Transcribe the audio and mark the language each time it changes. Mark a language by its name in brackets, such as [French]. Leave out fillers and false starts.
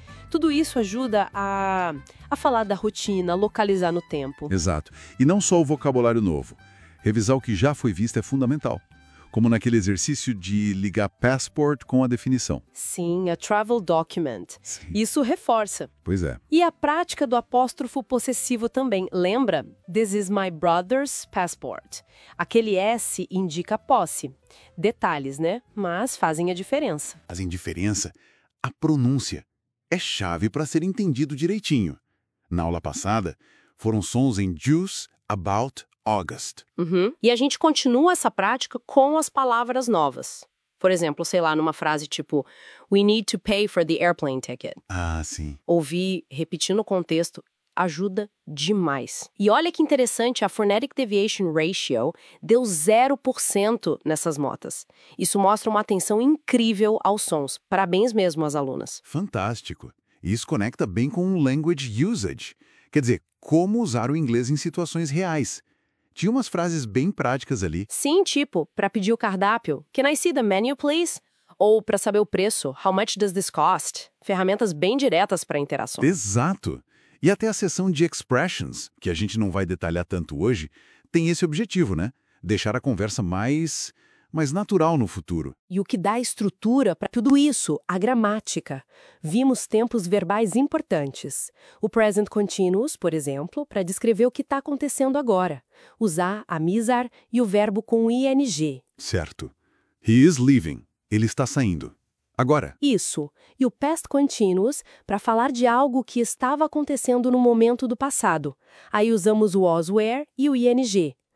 [Portuguese] Tudo isso ajuda a falar da rotina, localizar no tempo. Exato. E não só o vocabulário novo. Revisar o que já foi visto é fundamental. Como naquele exercício de ligar passport com a definição. [English] Sim, a travel document. [Portuguese] Sim. Isso reforça. Pois é. E a prática do apóstrofo possessivo também. Lembra? [English] This is my brother's passport. [Portuguese] Aquele S indica posse. Detalhes, né? Mas fazem a diferença. Fazem diferença? A pronúncia é chave para ser entendido direitinho. Na aula passada, foram sons em juice, about, August. Uhum. E a gente continua essa prática com as palavras novas. Por exemplo, sei lá, numa frase tipo [English] we need to pay for the airplane ticket. [Portuguese] Ah, sim. Ouvir, repetindo o contexto, ajuda demais. E olha que interessante, a phonetic deviation ratio deu 0% nessas notas. Isso mostra uma atenção incrível aos sons. Parabéns mesmo às alunas. Fantástico. Isso conecta bem com o language usage. Quer dizer, como usar o inglês em situações reais. Tinha umas frases bem práticas ali. Sim, tipo, pra pedir o cardápio, [English] can I see the menu, please? [Portuguese] Ou pra saber o preço, [English] how much does this cost? [Portuguese] Ferramentas bem diretas pra interação. Exato. E até a seção de expressions, que a gente não vai detalhar tanto hoje, tem esse objetivo, né? Deixar a conversa mais natural no futuro. E o que dá estrutura para tudo isso? A gramática. Vimos tempos verbais importantes. O present continuous, por exemplo, para descrever o que está acontecendo agora. Usar a misar e o verbo com ing. Certo. [English] He is leaving. [Portuguese] Ele está saindo. Agora. Isso. E o past continuous para falar de algo que estava acontecendo no momento do passado. Aí usamos o was where e o ing.